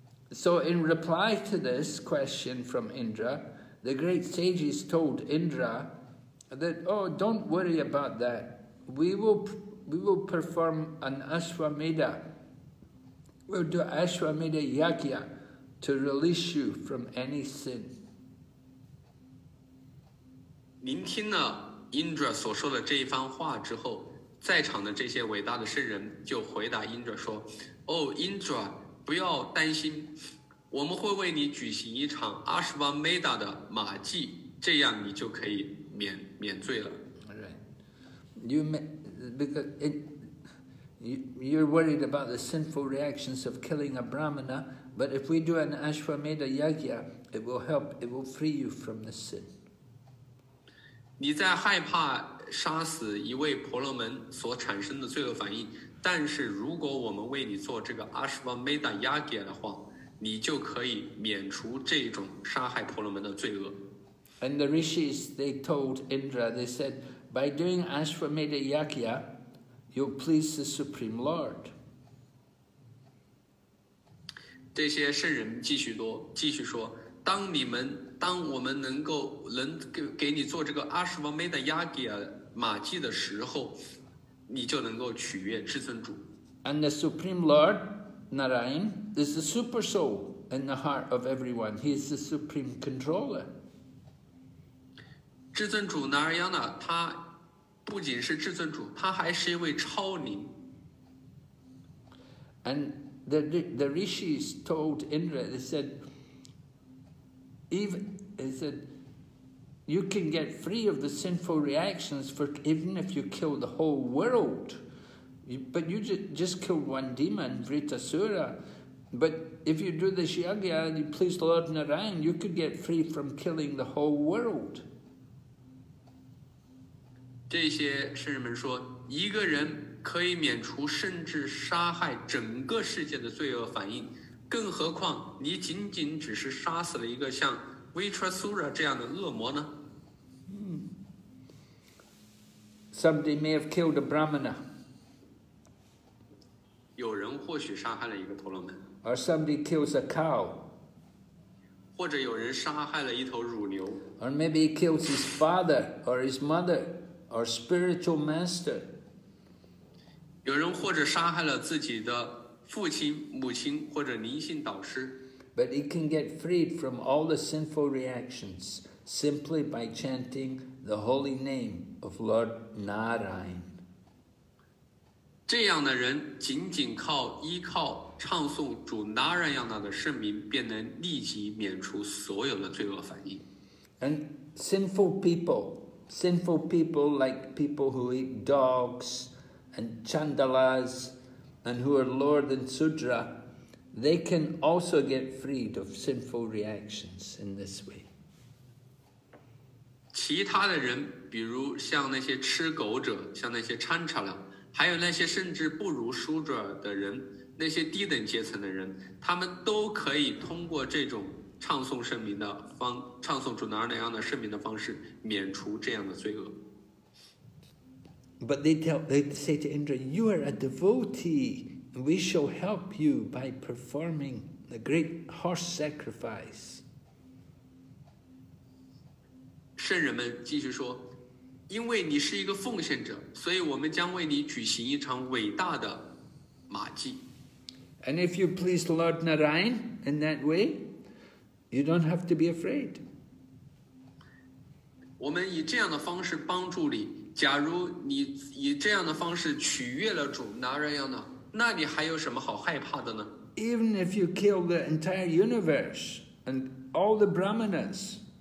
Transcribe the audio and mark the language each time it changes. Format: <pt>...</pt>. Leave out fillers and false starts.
<en>So in reply to this question from Indra, the great sages told Indra that, oh, don't worry about that. We will perform an Ashwamedha. We'll do Ashwamedha Yagya to release you from any sin.</en> <zh>聆听了 Indra 所说的这一番话之后，在场的这些伟大的圣人就回答 Indra 说，哦，英卓，不要担心，我们会为你举行一场阿什瓦梅达的马祭，这样你就可以免罪了。</zh> <en>All right, you're worried about the sinful reactions of killing a brahmana, but if we do an Ashwamedha Yagya, it will help. It will free you from the sin.</en> <zh>你在害怕杀死一位婆罗门所产生的罪恶反应。但是如果我们为你做这个 Ashwamedha Yagya 的话，你就可以免除这种杀害婆罗门的罪恶。</zh> <en>And the rishis, they told Indra, they said, by doing Ashwamedha Yagya, you'll please the Supreme Lord.</en> <zh>这些圣人继续说，当我们能给你做这个阿什瓦梅的亚吉马祭的时候，你就能够取悦至尊主。</zh> <en>And the Supreme Lord Narayan is the super soul in the heart of everyone. He is the supreme controller.</en> <zh>至尊主 Narayana 他不仅是至尊主，他还是一位超灵。</zh> <en>And the rishis told Indra, they said, you can get free of the sinful reactions even if you kill the whole world. But you just killed one demon, Vritasura. But if you do this yagya and you please Lord Narayan, you could get free from killing the whole world.</en> <zh>这些圣人们说，一个人可以免除甚至杀害整个世界的罪恶反应，更何况你仅仅只是杀死了一个像 Vritasura 这样的恶魔呢？</zh> <en>Somebody may have killed a brahmana.</en> <zh>有人或许杀害了一个婆罗门。</zh> <en>Or somebody kills a cow.</en> <zh>或者有人杀害了一头乳牛。</zh> <en>Or maybe he kills his father or his mother or spiritual master.</en> <zh>有人或者杀害了自己的父亲、母亲或者灵性导师。</zh> <en>But he can get freed from all the sinful reactions simply by chanting the holy name of Lord Narayan.</en> <zh>这样的人仅仅依靠唱诵主 Narayana 的圣名，便能立即免除所有的罪恶反应。</zh> <en>And sinful people like people who eat dogs,and chandalas, and who are lower than sudra, they can also get freed of sinful reactions in this way.</en> <zh>其他的人，比如像那些吃狗者，像那些 chandala, 还有那些甚至不如 sudra 的人，那些低等阶层的人，他们都可以通过这种唱诵主哪那样的圣名的方式，免除这样的罪恶。</zh> <en>But they say to Indra, you are a devotee, and we shall help you by performing the great horse sacrifice.</en> <zh>圣人们继续说，因为你是一个奉献者，所以我们将为你举行一场伟大的马祭。</zh> <en>And if you please Lord Narayan in that way, you don't have to be afraid.</en> <zh>我们以这样的方式帮助你，假如你以这样的方式取悦了主拿人样的，那你还有什么好害怕的呢？</zh> <en>Even if you kill the entire universe and all the brahmanas,</en>